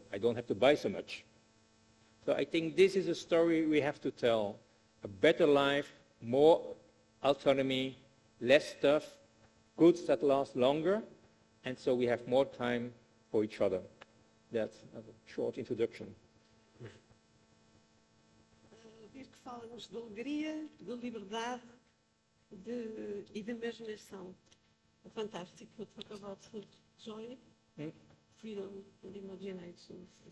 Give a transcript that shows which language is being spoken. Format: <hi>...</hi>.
<en>I don't have to buy so much. So I think this is a story we have to tell. A better life, more autonomy, less stuff, goods that last longer, and so we have more time for each other. That's a short introduction.</en> <pt>Ver que falamos de alegria, de liberdade, de imaginação.</pt> <en>Fantastic. We'll talk about joy, freedom, and imagination.</en>